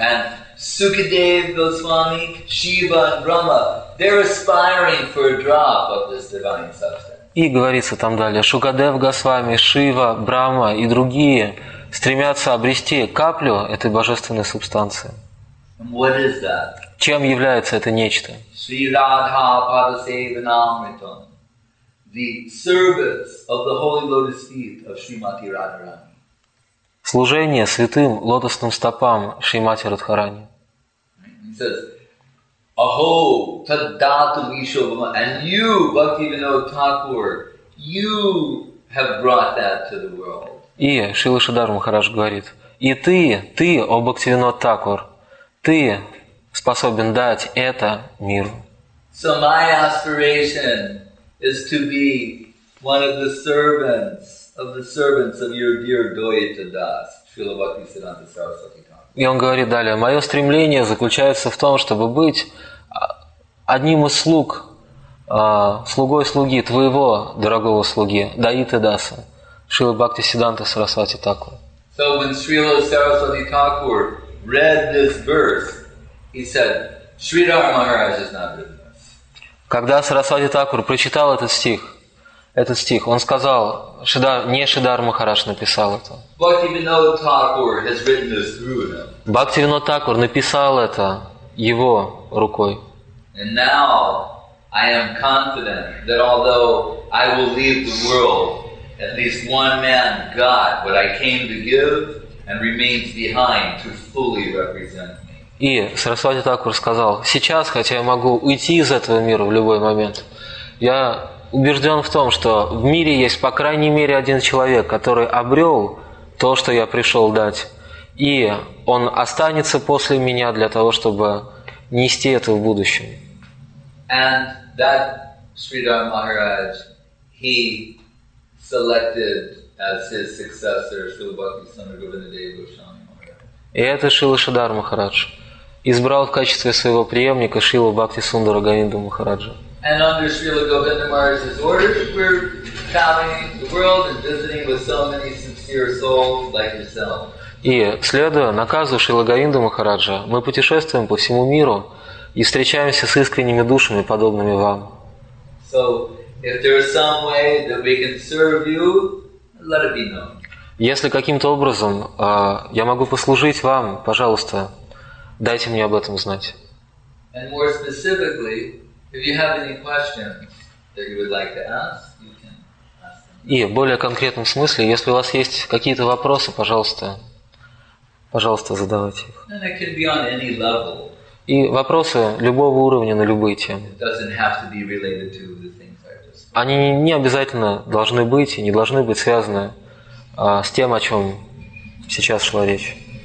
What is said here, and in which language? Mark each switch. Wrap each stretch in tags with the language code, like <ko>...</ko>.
<en>And Sukadev Goswami, Шива and Брахма, they're aspiring for a drop of this divine substance.</en> <ru>И говорится там далее, Шукадев Госвами, Шива, Брахма и другие стремятся обрести каплю этой божественной субстанции.</ru> <en>What is that?</en> <ru>Чем является это нечто?</ru> <sa>Sri Radha Padasevanamritam.</sa> <en>The service of the holy lotus feet of Srimati Radharani.</en> <ru>Служение святым лотосным стопам Шримати Радхарани.</ru> <en>He says, Aho Taddhatu Vishobhama, and you, Bhaktivinoda Thakur, you have brought that to the world.</en> <ru>И Шрила Шридхара Махарадж говорит, и ты, о Бхактивинод Такур, ты способен дать это миру.</ru> <en>So my aspiration is to be one of the servants of the servants of your dear Dvaita Das, Srila Bhaktisiddhanta Saraswati Thakur.</en> <ru>И он говорит далее, мое стремление заключается в том, чтобы быть одним из слуг, слугой слуги твоего дорогого слуги, Дваита Даса. Шрила Бхакти Сиддханта Сарасвати Такур.</ru> <en>So when Srila Saraswati Thakur read this verse, he said, Sridhar Maharaj has not written this.</en> <ru>Когда Сарасвати Такур прочитал этот стих, он сказал, не Шридхар Махарадж написал это.</ru> <en>Bhaktivinoda Thakur has written this through him.</en> <ru>Бхактивинода Такур написал это его рукой.</ru> <en>And now I am confident that although I will leave the world, at least one man got what I came to give and remains behind to fully represent me.</en> <ru>И Сарасвати Такур сказал, сейчас, хотя я могу уйти из этого мира в любой момент, я убежден в том, что в мире есть по крайней мере один человек, который обрел то, что я пришел дать, и он останется после меня для того, чтобы нести это в будущем.</ru> <en>And that Sridhar Maharaj, he selected as his successor Srila Bhakti Sundara Govindadeva Goswami Maharaj.</en> <ru>И это Шрила Шридхар Махарадж избрал в качестве своего преемника Шрилу Бхакти Сундара Говинду Махараджа.</ru> <en>And under Srila Govinda Maharaj's orders, we're traveling the world and visiting with so many sincere souls like yourself.</en> <ru>И следуя наказу Шрилы Говинды Махараджа, мы путешествуем по всему миру и встречаемся с искренними душами, подобными вам.</ru> <en>So, if there is some way that we can serve you, let it be known.</en> <ru>Если каким-то образом я могу послужить вам, пожалуйста, дайте мне об этом знать.</ru> <en>And more specifically, if you have any questions that you would like to ask, you can ask them.</en> <ru>И в более конкретном смысле, если у вас есть какие-то вопросы, пожалуйста, задавайте их.</ru> <en>And it can be on any level.</en> <ru>И вопросы любого уровня на любые темы.</ru> <en>It doesn't have to be related to the things I just...</en> <ru>Они не обязательно должны быть и не должны быть связаны с тем, о чем сейчас шла речь.</ru>